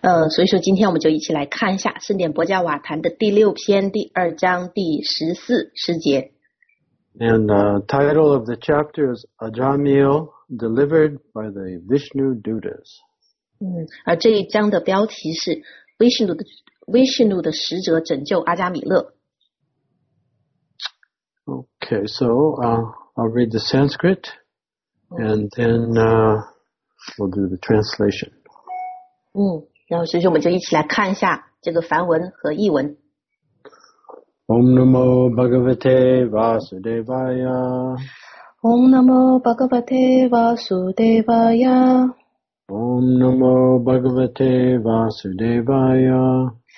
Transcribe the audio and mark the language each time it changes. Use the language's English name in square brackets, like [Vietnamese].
[Chinese] 所以说今天我们就一起来看一下盛典博加瓦坛的第六篇第二章第十四十节。 [English] And the title of the chapter is Ajamil Delivered by the Vishnu Dutas. [Chinese] 而这一章的标题是 Vishnu 的使者拯救阿加米勒。 [English] Okay, so I'll read the Sanskrit and then we'll do the translation. [Chinese] 然后所以我们就一起来看一下这个梵文和译文。 [Sanskrit] Om Namo Bhagavate Vasudevaya Om Namo Bhagavate Vasudevaya Om Namo Bhagavate Vasudevaya